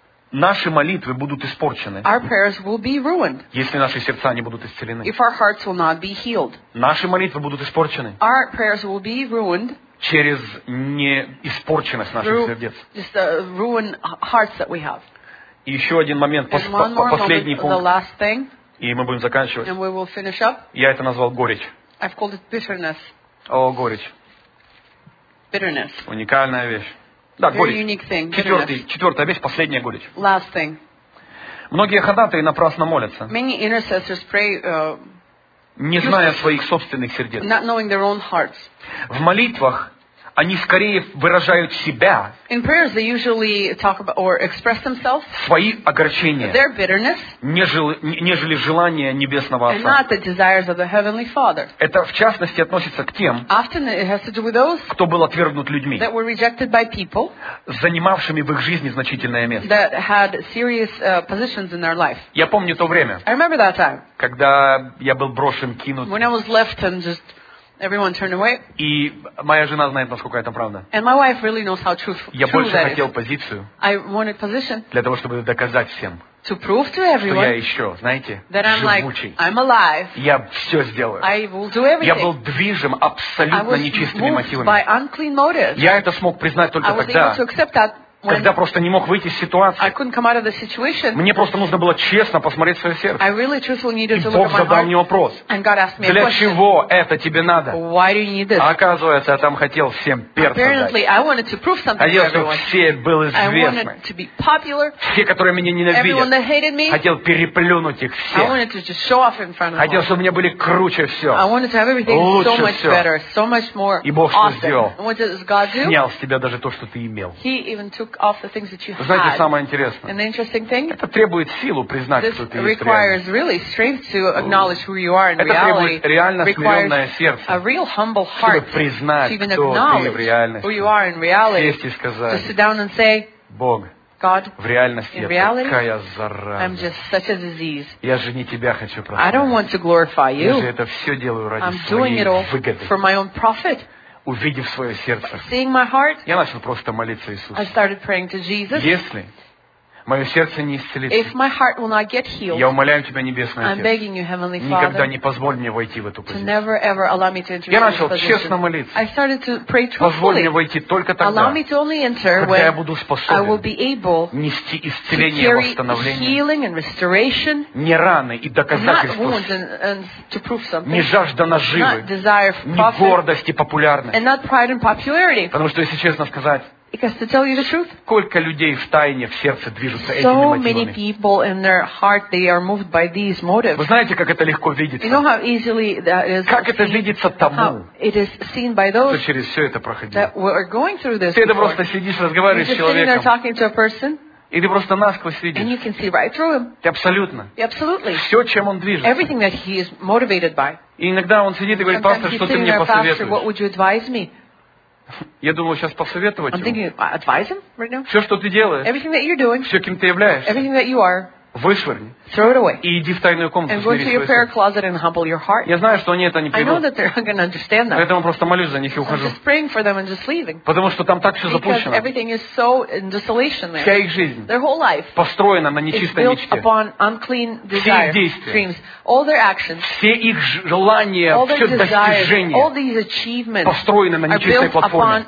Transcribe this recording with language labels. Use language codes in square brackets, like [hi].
[ru] наши молитвы будут испорчены, [en] our prayers will be ruined, [ru] если наши сердца не будут исцелены. [en] If our hearts will not be healed. [ru] Наши молитвы будут испорчены, [en] our prayers will be ruined, [ru] через неиспорченность наших [en] through [ru] сердец. [en] Just the ruined hearts that we have. [ru] И еще один момент, последний [en] moment, [ru] пункт. [en] The last thing, [ru] и мы будем заканчивать. [en] And we will finish up. [ru] Я это назвал горечь. [en] I've called it bitterness. [ru] О, горечь. [en] Bitterness. [ru] Уникальная вещь. Да, [en] very [ru] горечь. [en] Unique thing. [ru] Четвертая вещь, последняя горечь. [en] Last thing. [ru] Многие ходатаи напрасно молятся. [en] Many intercessors pray, [ru] не зная своих собственных сердец. [en] Not knowing their own hearts. [ru] В молитвах они скорее выражают себя. [en] In prayers they usually talk about or express themselves. [ru] Свои огорчения. [en] Their bitterness. [ru] Нежели желания небесного Отца. [en] And not the desires of the Heavenly Father. [ru] Это в частности относится к тем, [en] often it has to do with those, [ru] кто был отвергнут людьми, [en] that were rejected by people, [ru] занимавшими в их жизни значительное место, [en] that had serious positions in their life. [ru] Я помню то время. [en] I remember that time. [ru] Когда я был брошен, кинут. [en] When I was left and just everyone turned away. [ru] И моя жена знает, насколько это правда. [en] And my wife really knows how truthful that is. [ru] Я больше хотел позицию. [en] I wanted position. [ru] Для того, чтобы доказать всем. [en] To prove to everyone. [ru] Что я еще, знаете, [en] that I'm [ru] живучий. [en] Like, I'm alive. [ru] Я все сделаю. [en] I will do everything. [ru] Я был движим абсолютно нечистыми мотивами. [en] By unclean motives. [ru] Я это смог признать только тогда. [en] I was able to accept that. [ru] Когда просто не мог выйти из ситуации. [en] I couldn't come out of the situation. [ru] Мне просто нужно было честно посмотреть свое сердце. [en] I really truthfully needed to look at my heart. [ru] И Бог задал мне вопрос. [en] And God asked me a question. [ru] Для чего это тебе надо? [en] Why do you need this? [ru] Оказывается, я там хотел всем перца дать. [en] Apparently, I wanted to prove something [ru] хотел, [en] to everyone. [ru] Хотел, чтобы все были известны. [en] I wanted to be popular. [ru] Все, которые меня ненавидят. [en] Everyone that hated me. [ru] Хотел переплюнуть их всех. [en] I wanted to just show off in front of them. [ru] Хотел, чтобы у меня были круче все. [en] I wanted to have everything [ru] лучше [en] so much [ru] все. [en] Better, so much more. [ru] И Бог [en] awesome. [ru] Что сделал? [en] And what does God do? [ru] Снял с тебя даже то, что ты имел. [en] He even took off the things that you had. [ru] Знаете, самое интересное? [en] And the interesting thing? [ru] Это требует силу признать, [en] this [ru] кто ты есть. [en] This requires really strength to acknowledge who you are in [ru] это [en] reality. [ru] Это требует реально смиренное сердце. [en] A real humble heart. [ru] Чтобы признать, [en] to even acknowledge [ru] в реальности. [en] Who you are in reality. [ru] Сесть и сказать. [en] To sit down and say, [ru] Бог. [en] God, [ru] в реальности [en] in reality, [ru] я такая зараза. [en] I'm just such a disease. [ru] Я же не тебя хочу прославить. [en] I don't want to glorify you. [ru] Я же это все делаю ради [en] I'm [ru] своей [en] doing it all [ru] выгоды. [en] For my own profit. [ru] Увидев свое сердце, [en] seeing my heart, [ru] я начал просто молиться Иисусу. [en] I started praying to Jesus. [ru] Если мое сердце не исцелится, [en] if my heart will not get healed, [ru] я умоляю тебя, Небесный Отец, [en] I'm begging you, Heavenly Father, [ru] никогда не позволь мне войти в эту позицию. [en] To never, ever allow me to enter [ru] я начал честно молиться. [en] I started to pray truthfully. [ru] Позволь мне войти только тогда, [en] allow me to only enter [ru] когда [en] when [ru] я буду способен [en] I will be able [ru] нести исцеление и восстановление, [en] healing and restoration, [ru] не раны и доказательства, [en] not wounds and to prove something, [ru] не жажда наживы, [en] not desire for profit, [ru] не гордость и популярность. [en] And not pride and popularity. [ru] Потому что, если честно сказать, [en] Because to tell you the truth, [ru] сколько людей в тайне в сердце движутся этими мотивами. [en] So many people in their heart they are moved by these motives. [ru] Вы знаете, как это легко видится? [en] You know how easily that is. [ru] Как это видится тому? [en] It is seen by those. [ru] Кто через все это проходил? [en] That we are going through this. [ru] Ты это просто сидишь, разговариваешь с человеком. [en] You're sitting there talking to a person. [ru] И ты просто насквозь видишь. [en] And you can see right through him. [ru] Ты абсолютно. [en] Absolutely. [ru] Все, чем он движется. [en] Everything that he is motivated by. [ru] И иногда он сидит и говорит: пастор, что ты мне посоветуешь? [en] What would you advise me? [ru] Я думал сейчас посоветовать ему. [en] Advise him right now? [ru] Все, что ты делаешь. [en] Everything that you're doing. [ru] Все, кем ты являешься. [en] Everything that you are. [ru] Вышвырни. [en] Throw it away. [ru] И иди в тайную комнату. [en] And go to your prayer closet and humble your heart. [ru] Я знаю, что они это не придут. [en] I know that they're going to understand that. [ru] Поэтому просто молюсь за них и ухожу. [en] I'm just praying for them and just leaving. [ru] Потому что там так все запущено. [en] Because everything is so in desolation there. [ru] Вся их жизнь. [en] Their whole life. [ru] Построена на нечистой мечте. [en] It's built upon unclean desires, dreams, all their actions. [ru] Все их желания, все достижения. [en] All these achievements. [ru] Построены на нечистой платформе.